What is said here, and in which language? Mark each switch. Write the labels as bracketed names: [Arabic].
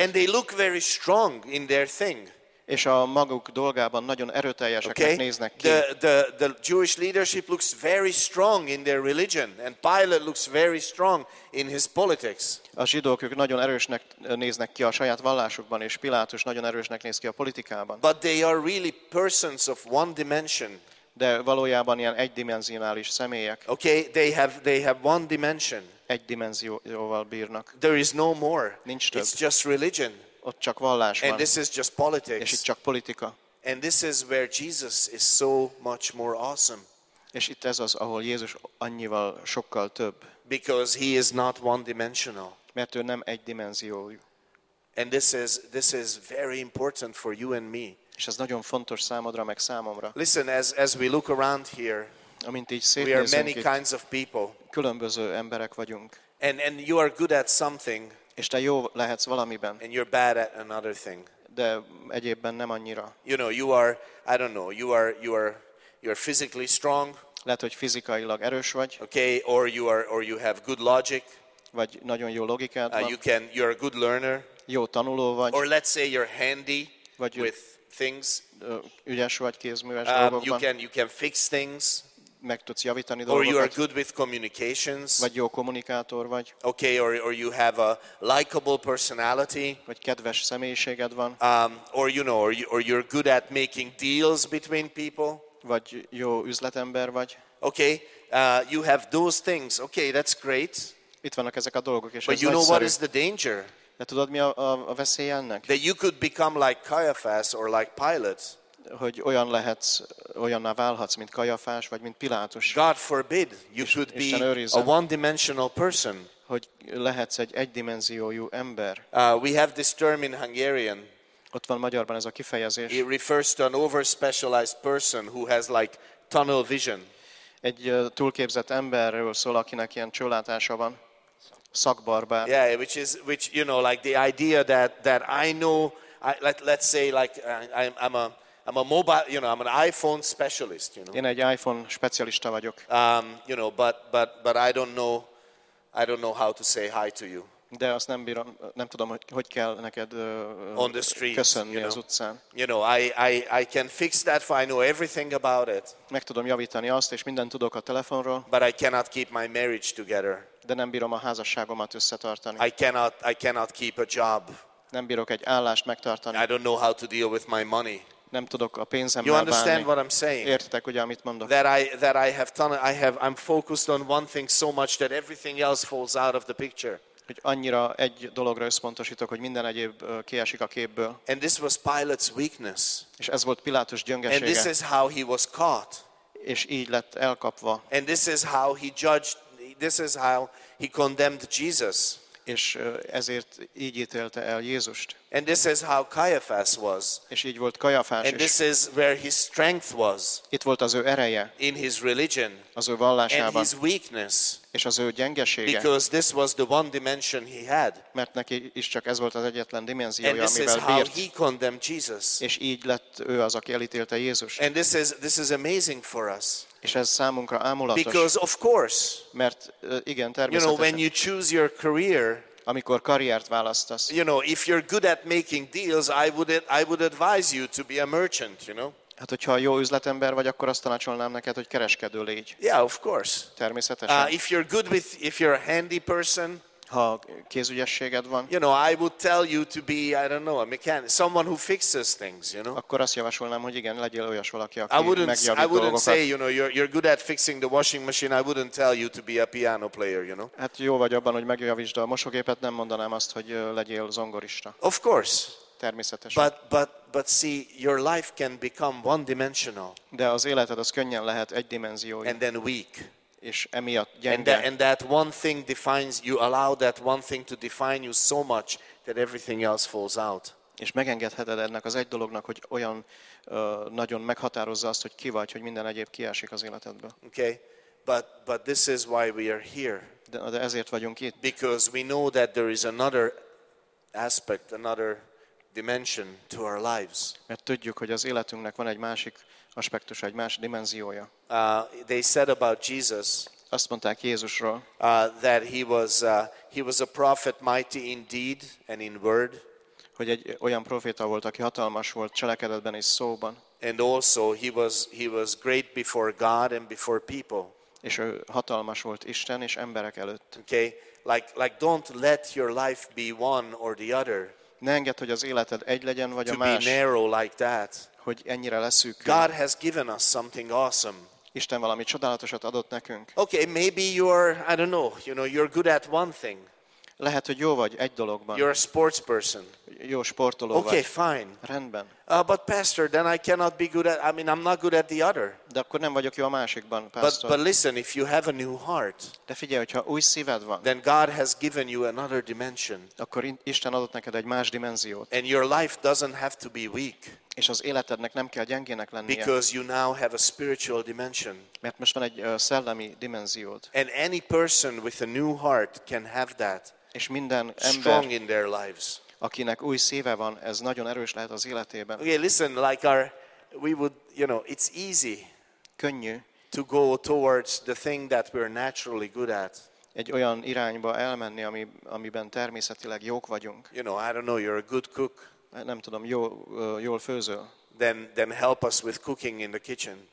[English] And they look very strong in their thing. [Hungarian] És a maguk dolgában nagyon erőteljeseknek [English] okay? [Hungarian] néznek ki. [English] The Jewish leadership looks very strong in their religion, and Pilate looks very strong in his politics. [Hungarian] A zsidók ők nagyon erősnek néznek ki a saját vallásukban, és Pilátus nagyon erősnek néz ki a politikában. [English] But they are really persons of one dimension. [Hungarian] De valójában ilyen egydimenzionális személyek. [English] Okay, they have one dimension. [Hungarian] Egy dimenzióval bírnak. [English] There is no more. [Hungarian] Nincs több. [English] It's just religion. [Hungarian] Ott csak vallás van. [English] And this is just politics. [Hungarian] És itt csak politika. [English] And this is where Jesus is so much more awesome. [Hungarian] És itt ez az, ahol Jézus annyival sokkal több. [English] Because he is not one dimensional. [Hungarian] Mert ő nem egydimenziójú. [English] And this is very important for you and me. [Hungarian] És ez nagyon fontos számodra meg számomra. [English] Listen, as we look around here, [Hungarian] amint így szétnézünk, [English] we are many kinds of people. [Hungarian] Különböző emberek vagyunk. [English] And you are good at something. [Hungarian] És te jó lehetsz valamiben. [English] And you're bad at another thing. [Hungarian] De egyébben nem annyira. [English] You know, you are, I don't know, you are physically strong. [Hungarian] Lehet, hogy fizikailag erős vagy. [English] Okay, or you have good logic. [Hungarian] Vagy nagyon jó logikád van. [English] You're a good learner. [Hungarian] Jó tanuló vagy. [English] Or let's say you're handy [Hungarian] vagy [English] with things. [Hungarian] Ügyes vagy kézműves dolgokban. [English] You can fix things. [Hungarian] Meg tudsz javítani dolgokat. [English] Or you are good with communications. [Hungarian] Vagy jó kommunikátor vagy. [English] Okay, or you have a likable personality. [Hungarian] Vagy kedves személyiséged van. [English] Or you're good at making deals between people. [Hungarian] Vagy jó üzletember vagy. [English] Okay, you have those things. Okay, that's great. [Hungarian] Itt vannak ezek a dolgok, és [English] but [Hungarian] ez [English] you [Hungarian] nagyszerű. [English] Know what is the danger? [Hungarian] De tudod, mi a veszélye ennek? [English] That you could become like Caiaphas or like Pilate. [Hungarian] Hogy olyan lehetsz, olyanná válhatsz, mint Kajafás, vagy mint Pilátus. [English] God forbid, you should be a one-dimensional person. [Hungarian] Hogy lehetsz egy egydimenziójú ember. [English] We have this term in Hungarian. [Hungarian] Ott van magyarban ez a kifejezés. [English] It refers to an over-specialized person who has like tunnel vision. [Hungarian] Egy túlképzett emberről szól, akinek ilyen csőlátása van. Szakbarbár. [English] Yeah, which you know, like the idea that I know, I'm a mobile, you know, I'm an iPhone specialist, you know. [Hungarian] Én egy iPhone specialista vagyok. [English] You know, but I don't know how to say hi to you. [Hungarian] De azt nem bírom, nem tudom, hogy kell neked [English] on the street, [Hungarian] köszönni [English] you know, [Hungarian] az utcán. [English] You know, I can fix that for I know everything about it. [Hungarian] Meg tudom javítani azt, és mindent tudok a telefonról. [English] But I cannot keep my marriage together. [Hungarian] De nem bírom a házasságomat összetartani. [English] I cannot keep a job. [Hungarian] Nem bírok egy állást megtartani. [English] I don't know how to deal with my money. [Hungarian] nem tudok a pénzemmel bánni. [English] You understand what I'm saying? [Hungarian] Értitek, hogy amit mondok? [English] I'm focused on one thing so much that everything else falls out of the picture. [Hungarian] Hogy annyira egy dologra összpontosítok, hogy minden egyéb kiesik a képből. [English] And this was Pilate's weakness. [Hungarian] És ez volt Pilátus gyöngesége. [English] And this is how he was caught. [Hungarian] És így lett elkapva. [English] And this is how he judged, this is how he condemned Jesus. [Hungarian] És ezért így ítélte el Jézust. [English] And this is how Caiaphas was. [Hungarian] És így volt Caiaphas is. [English] And this is where his strength was. [Hungarian] Itt volt az ő ereje. [English] In his religion. [Hungarian] Az ő vallásában. [English] And his weakness. [Hungarian] És az ő gyengesége. [English] Because this was the one dimension he had. [Hungarian] Mert neki is csak ez volt az egyetlen dimenziója, amivel bírt. [English] And this is how he condemned Jesus. [Hungarian] És így lett ő az, aki elítélte Jézust. [English] And this is amazing for us. [Hungarian] És ez számunkra ámulatos. [English] Because of course. [Hungarian] Mert igen, természetesen. [English] You know, when you choose your career, [Hungarian] amikor karriert választasz. [English] You know, if you're good at making deals, I would advise you to be a merchant, you know. [Hungarian] Hát hogyha jó üzletember vagy, akkor azt tanácsolnám neked, hogy kereskedő légy. [English] Yeah, of course. [Hungarian] Természetesen. [English] If you're a handy person, [Hungarian] ha kézügyességed van. [English] You know, I would tell you to be, I don't know, a mechanic, someone who fixes things, you know. [Hungarian] Akkor azt javasolnám, hogy igen, legyél olyas valaki, aki megjavít dolgokat. [English] I wouldn't say, you know, you're good at fixing the washing machine, I wouldn't tell you to be a piano player, you know. [Hungarian] Hát jó vagy abban, hogy megjavítsd a mosógépet, nem mondanám azt, hogy legyél zongorista. [English] Of course. [Hungarian] Természetesen. [English] But see, your life can become one dimensional. [Hungarian] De az életed az könnyen lehet egydimenziói. [English] And then weak. [Hungarian] És emiatt gyenge. [English] And that one thing defines you, allow that one thing to define you so much that everything else falls out. [Hungarian] És megengedheted ennek az egy dolognak, hogy olyan nagyon meghatározza azt, hogy ki vagy, hogy minden egyéb kiesik az életedből. [English] Okay. But this is why we are here. [Hungarian] De ezért vagyunk itt. [English] Because we know that there is another aspect, another dimension to our lives. [Hungarian] Mert tudjuk, hogy az életünknek van egy másik aspektusa, egy más dimenziója. [English] They said about Jesus, [Hungarian] azt mondták Jézusról, [English] that he was a prophet mighty in deed and in word, [Hungarian] hogy egy olyan proféta volt, aki hatalmas volt cselekedetben és szóban. [English] And also he was great before God and before people. [Hungarian] És ő hatalmas volt Isten és emberek előtt. [English] Okay, like don't let your life be one or the other. [Hungarian] Ne engedd, hogy az életed egy legyen vagy [English] to [Hungarian] a más. [English] Be narrow like that. [Hungarian] Hogy ennyire leszűkül. [English] God has given us something awesome. [Hungarian] Isten valami csodálatosat adott nekünk. [English] Okay, maybe you're, I don't know, you know, you're good at one thing. [Hungarian] Lehet, hogy jó vagy egy dologban. [English] You're a sports person. [Hungarian] Jó sportoló [English] okay, [Hungarian] vagy. [English] Okay, fine. [Hungarian] Rendben. [English] But pastor, then I cannot be good at, I mean, I'm not good at the other. [Hungarian] De akkor nem vagyok jó a másikban, pastor. [English] But listen, if you have a new heart, [Hungarian] de figyelj, hogyha új szíved van, [English] then God has given you another dimension. [Hungarian] Akkor Isten adott neked egy más dimenziót. [English] And your life doesn't have to be weak. [Hungarian] És az életednek nem kell gyengének lennie. [English] Because you now have a spiritual dimension. [Hungarian] Mert most van egy szellemi dimenziód. [English] And any person with a new heart can have that. [Hungarian] És minden ember, [English] strong in their lives. [Hungarian] Akinek új szíve van, ez nagyon erős lehet az életében. [English] Okay, listen, like our, we would, you know, it's easy. [Hungarian] Könnyű. [English] To go towards the thing that we're naturally good at. [Hungarian] Egy olyan irányba elmenni, amiben természetileg jók vagyunk. [English] You know, I don't know, you're a good cook. [Hungarian] Nem tudom, jól főzöl. [English] Then help us with cooking in the kitchen.